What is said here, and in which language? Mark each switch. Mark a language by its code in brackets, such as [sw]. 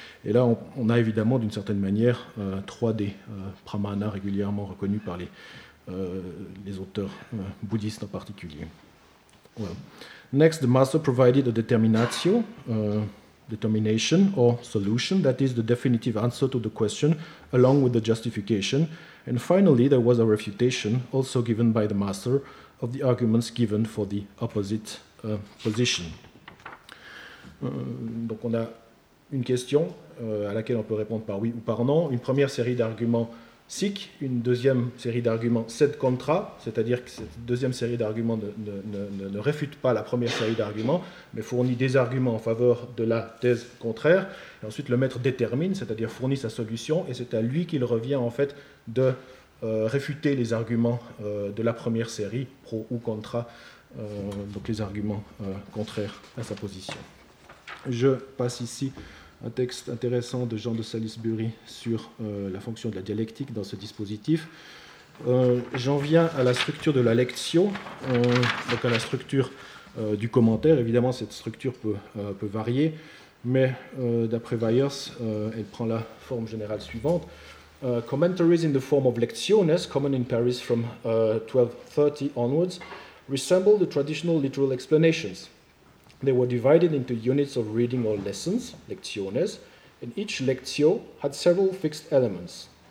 [fr] Et là, on a évidemment, d'une certaine manière, 3D, pramana, régulièrement reconnu par les auteurs bouddhistes en particulier. [en] Well. Next, the master provided a determinatio, determination or solution, that is the definitive answer to the question, along with the justification. And finally, there was a refutation, also given by the master, of the arguments given for the opposite position. [fr] Donc on a une question à laquelle on peut répondre par oui ou par non, une première série d'arguments sic, une deuxième série d'arguments sed contra, c'est-à-dire que cette deuxième série d'arguments ne réfute pas la première série d'arguments, mais fournit des arguments en faveur de la thèse contraire, et ensuite le maître détermine, c'est-à-dire fournit sa solution, et c'est à lui qu'il revient en fait de réfuter les arguments de la première série, pro ou contra, donc les arguments contraires à sa position. Je passe ici un texte intéressant de Jean de Salisbury sur la fonction de la dialectique dans ce dispositif. J'en viens à la structure de la lectio, donc à la structure du commentaire. Évidemment, cette structure peut varier, mais d'après Weyers, elle prend la forme générale suivante. [en] Commentaries in the form of lectiones, common in Paris from 1230 onwards, resemble the traditional literal explanations. They were divided into units of reading or lessons, lectiones, and each lectio had several fixed elements.